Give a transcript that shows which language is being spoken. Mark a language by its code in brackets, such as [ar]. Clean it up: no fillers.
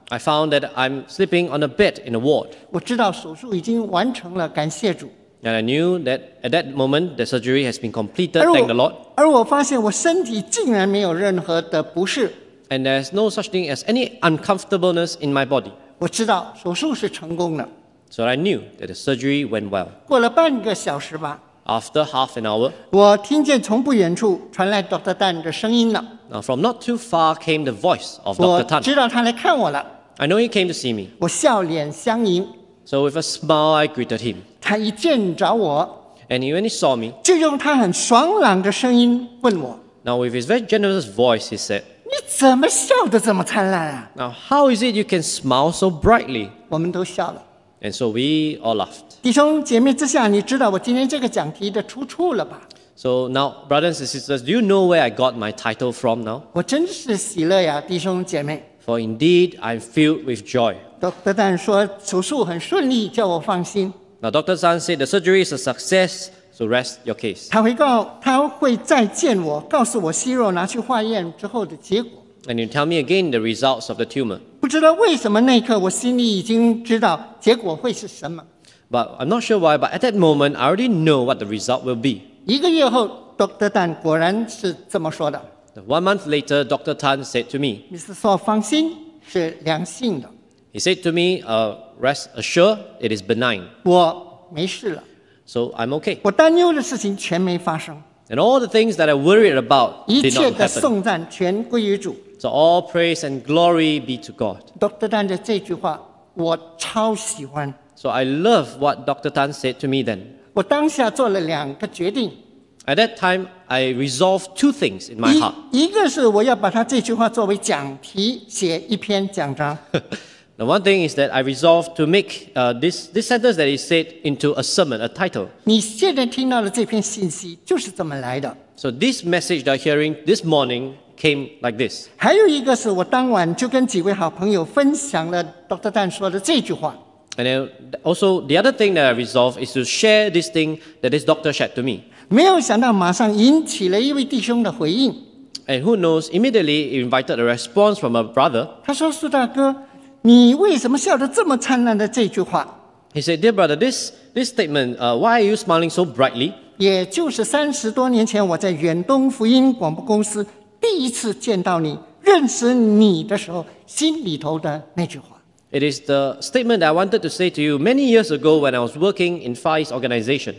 [en] I found that I'm sleeping on a bed in a ward. [zh] 我知道手术已经完成了，感谢主。 [en] And I knew that at that moment the surgery has been completed. Thank the Lord. [zh] 而我发现我身体竟然没有任何的不适。 [en] And there's no such thing as any uncomfortableness in my body. [zh] 我知道手术是成功的。 [en] So I knew that the surgery went well. [zh] 过了半个小时吧。 [en] After half an hour, [zh] 我听见从不远处传来 Dr. Tan 的声音了。 [en] Now from not too far came the voice of Dr. Tan. [zh] 我知道他来看我了。 [en] I know he came to see me. [zh] 我笑脸相迎。 [en] So with a smile, I greeted him. [zh] 他一见着我。 [en] And when he saw me, [zh] 就用他很爽朗的声音问我。 [en] Now with his very generous voice, he said, [zh] 你怎么笑得这么灿烂啊？ [en] Now how is it you can smile so brightly? [zh] 我们都笑了。 [en] And so we all laughed. [zh] 弟兄姐妹之下，你知道我今天这个讲题的出处了吧？ [en] So now, brothers and sisters, do you know where I got my title from now? [zh] 我真是喜乐呀，弟兄姐妹。 [en] For indeed, I'm filled with joy. [zh] Dr. Tan 说手术很顺利，叫我放心。 [en] Now Dr. Tan said the surgery is a success, so rest your case. [zh] 他会再见我，告诉我息肉拿去化验之后的结果。 [en] And you tell me again the results of the tumor. [zh] 不知道为什么那一刻我心里已经知道结果会是什么。 [en] But I'm not sure why, but at that moment, I already know what the result will be. [zh] 一个月后 ,Dr. Tan 果然是这么说的。 [en] One month later, Dr. Tan said to me, [zh] Mr. So, 放心是良性的。 [en] He said to me, rest assured, it is benign. [zh] 我没事了。 [en] So I'm okay. [zh] 我担忧的事情全没发生。 [en] And all the things that I worried about did not happen. [zh] 一切的颂赞全归于主。 [en] So all praise and glory be to God. [zh] Dr. Tan 的这句话我超喜欢。 [en] So I love what Dr. Tan said to me then. [zh] 我当下做了两个决定。 [en] At that time, I resolved two things in my heart. [zh] 一个是我要把他这句话作为讲题写一篇讲章。 [en] The one thing is that I resolved to make this sentence that he said into a sermon, a title. [zh] 你现在听到的这篇信息就是这么来的。 [en] So this message that I'm hearing this morning came like this. [zh] 还有一个是我当晚就跟几位好朋友分享了 Dr. Tan 说的这句话。 [en] And then also the other thing that I resolved is to share this thing that this doctor shared to me. [zh] 没有想到马上引起了一位弟兄的回应。 [en] And who knows, immediately invited a response from a brother. [zh] 他说苏大哥你为什么笑得这么灿烂的这句话 [en] He said, dear brother, this statement, why are you smiling so brightly? [zh] 也就是三十多年前我在远东福音广播公司第一次见到你认识你的时候心里头的那句话 [en] It is the statement that I wanted to say to you many years ago when I was working in Far East organization.